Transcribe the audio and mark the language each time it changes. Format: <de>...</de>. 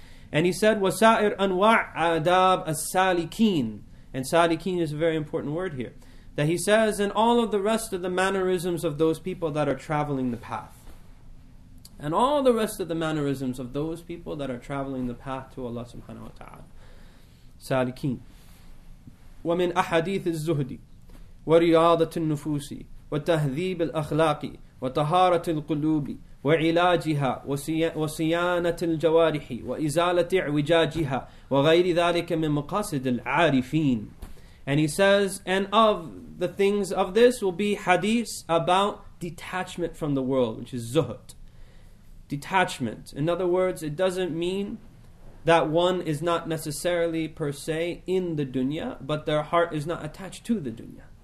<en>And he said,</en> <ar>وَسَائِرْ أَنْوَعْ adab السَّالِكِينَ.</ar> <en>And saliqeen is a very important word here. That he says, and all of the rest of the mannerisms of those people that are traveling the path. And all the rest of the mannerisms of those people that are traveling the path to Allah subhanahu wa ta'ala. Saliqeen.</en> <ar>وَمِنْ أَحَدِيثِ الزُّهْدِ وَرِيَاضَةِ النُّفُوسِ وَتَهْذِيبِ الْأَخْلَاقِ وَطَهَارَةِ الْقُلُوبِ وعلاجها وصيانة الجوارح وإزالة اعوجاجها وغير ذلك من مقاصد العارفين.</ar> <en>And he says, and of the things of this will be hadith about detachment from the world, which is zuhud. Detachment. In other words, it doesn't mean that one is not necessarily per se in the dunya, but their heart is not attached to the dunya.</en>